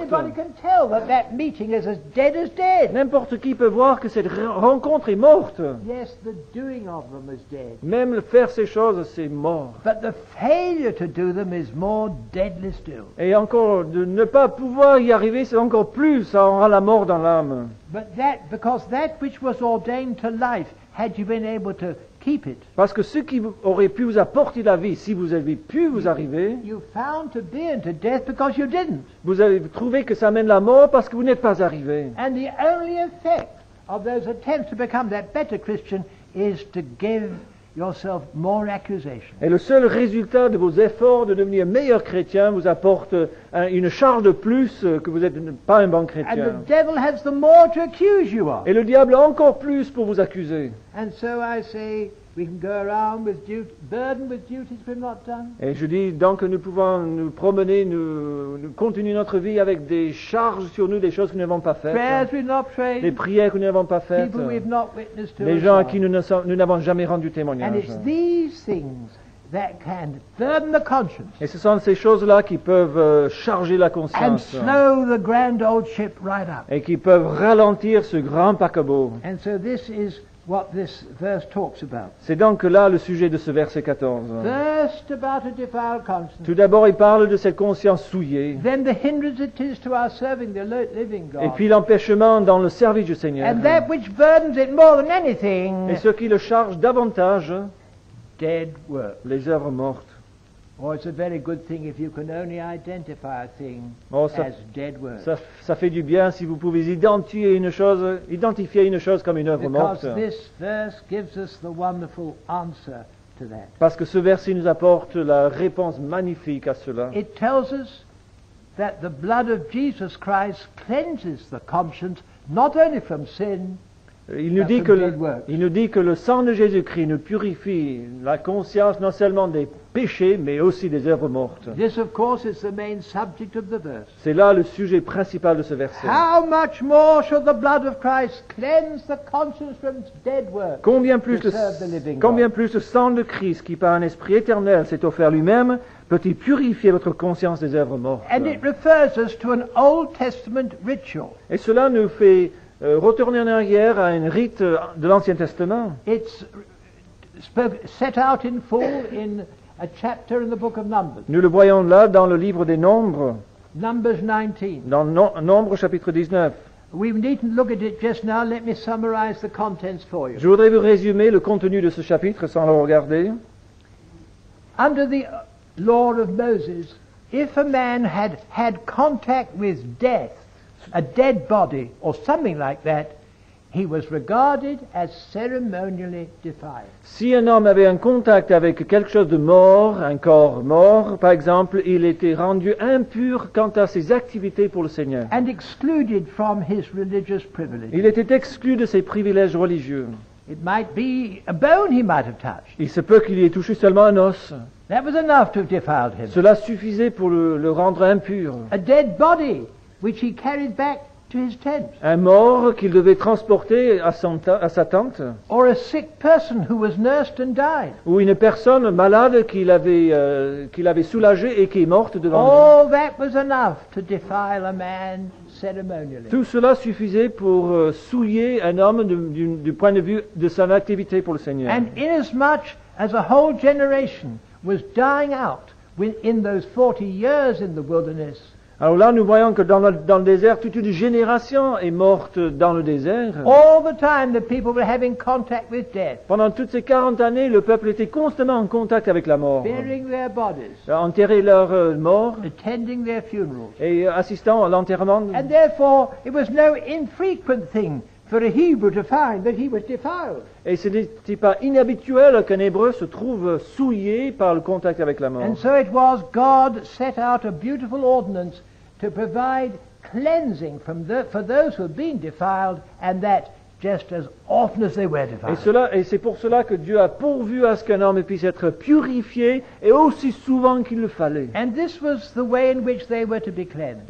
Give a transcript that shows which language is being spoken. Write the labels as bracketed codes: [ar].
[en] Anybody can tell that that meeting is as dead as dead. [fr] N'importe qui peut voir que cette rencontre est morte. [en] Yes, the doing of them is dead. [fr] Même le faire ces choses, c'est mort. [en] But the failure to do them is more deadly still. [fr] Et encore, de ne pas pouvoir y arriver, c'est encore plus, ça aura la mort dans l'âme. [en] But that, because that which was ordained to life, had you been able to keep it. [fr] Parce que ce qui aurait pu vous apporter la vie, si vous aviez pu vous arriver, [en] you found to be into death because you didn't. [fr] Vous avez trouvé que ça amène la mort parce que vous n'êtes pas arrivé. [en] And the only effect of those attempts to become that better Christian is to give yourself more accusation. [fr] Et le seul résultat de vos efforts de devenir meilleur chrétien vous apporte une charge de plus que vous n'êtes pas un bon chrétien. [en] And the devil has the more to accuse you of. [fr] Et le diable a encore plus pour vous accuser. [en] And so I say, we can go around with duty, burdened with duties we've not done. [fr] Et je dis donc que nous pouvons nous promener, nous continuer notre vie avec des charges sur nous, des choses que nous n'avons pas faites. [en] Prayers we've not prayed. [fr] Des prières que nous n'avons pas faites. [en] People we've not witnessed to. [fr] Les gens à qui nous n'avons jamais rendu témoignage. [en] And it's these things that can burden the conscience. [fr] Et ce sont ces choses-là qui peuvent charger la conscience. [en] And slow the grand old ship right up. [fr] Et qui peuvent ralentir ce grand paquebot. [en] And so this is what this verse talks about. [fr] C'est donc là le sujet de ce verset 14. [en] First about a defiled conscience. [fr] Tout d'abord, il parle de cette conscience souillée. [en] Then the hindrance it is to our serving the living God. [fr] Et puis l'empêchement dans le service du Seigneur. [en] And that which burdens it more than anything. [fr] Et ce qui le charge davantage. [en] Dead work. [fr] Les œuvres mortes. [en] Oh, it's a very good thing if you can only identify a thing as dead work. [fr] Ça fait du bien si vous pouvez identifier une chose comme une œuvre morte. [en] Because this verse gives us the wonderful answer to that. [fr] Parce que ce verset nous apporte la réponse magnifique à cela. [en] It tells us that the blood of Jesus Christ cleanses the conscience not only from sin. [fr] Il nous dit que le sang de Jésus-Christ nous purifie la conscience non seulement des péchés, mais aussi des œuvres mortes. [en] This, of course, is the main subject of the verse. [fr] C'est là le sujet principal de ce verset. [en] How much more shall the blood of Christ cleanse the conscience from dead works? [fr] Combien plus le sang de Christ, qui par un esprit éternel s'est offert lui-même, peut-il purifier votre conscience des œuvres mortes? [en] And it refers us to an Old Testament ritual. [fr] Et cela nous fait retourner en arrière à un rite de l'Ancien Testament. [en] It's set out in full in a chapter in the book of Numbers. [fr] Nous le voyons là dans le livre des Nombres. [en] Numbers 19. [fr] Dans Nombres chapitre 19. [en] We needn't look at it just now. Let me summarize the contents for you. [fr] Je voudrais vous résumer le contenu de ce chapitre sans le regarder. [en] Under the law of Moses, if a man had contact with death, a dead body or something like that, he was regarded as ceremonially defiled. [fr] Si un homme avait un contact avec quelque chose de mort, un corps mort, par exemple, il était rendu impur quant à ses activités pour le Seigneur. [en] And excluded from his religious privileges. [fr] Il était exclu de ses privilèges religieux. [en] It might be a bone he might have touched. [fr] Il se peut qu'il y ait touché seulement un os. [en] That was enough to have defiled him. [fr] Cela suffisait pour le rendre impur. [en] A dead body which he carried back to his tent. [fr] Un mort qu'il devait transporter à sa tente. [en] Or a sick person who was nursed and died. [fr] Ou une personne malade qu'il avait soulagée et qui est morte devant [en] All [fr] lui. [en] All that was enough to defile a man. [fr] Tout cela suffisait pour souiller un homme du point de vue de son activité pour le Seigneur. [en] And inasmuch as a whole generation was dying out within those 40 years in the wilderness. [fr] Alors là, nous voyons que dans le désert, toute une génération est morte dans le désert. [en] All the time the people were having contact with death. [fr] Pendant toutes ces 40 années, le peuple était constamment en contact avec la mort. [en] Burying their bodies. [fr] Enterrer leurs morts. [en] Attending their funerals. [fr] Et assistant à l'enterrement. [en] And therefore, it was no infrequent thing for a Hebrew to find that he was defiled. [fr] Et ce n'était pas inhabituel qu'un Hébreu se trouve souillé par le contact avec la mort. [en] And so it was God set out a beautiful ordinance to provide cleansing from for those who had been defiled, and that just as often as they were defiled. [fr] Et c'est pour cela que Dieu a pourvu à ce qu'un homme puisse être purifié et aussi souvent qu'il le fallait. [en] And this was the way in which they were to be cleansed.